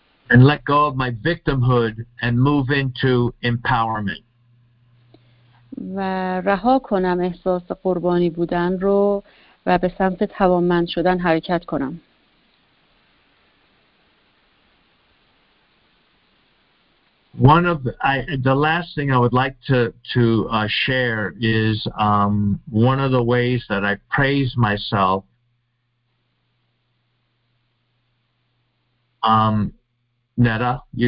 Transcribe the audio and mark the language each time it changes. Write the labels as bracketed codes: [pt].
[en] And let go of my victimhood and move into empowerment. [fa] و رها کنم احساس قربانی بودن رو و به سمت توانمند شدن حرکت کنم. [en] The last thing I would like to share is one of the ways that I praise myself Netta,